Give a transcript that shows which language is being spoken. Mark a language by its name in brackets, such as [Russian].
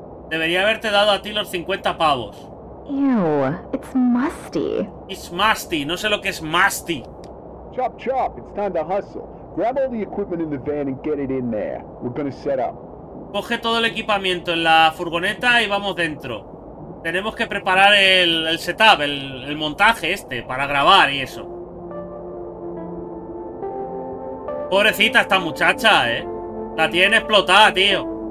[Spanish] Debería haberte dado a ti los 50 pavos. [English] Ew, it's musty. It's musty. [Spanish] No sé lo que es musty. [English] Chop chop, it's time to hustle. Grab all the equipment in the van and get it in there. We're gonna set up. [Spanish] Coge todo el equipamiento en la furgoneta y vamos dentro. Tenemos que preparar el setup, el montaje este, para grabar y eso. Pobrecita esta muchacha, ¿eh? La tiene explotada, tío.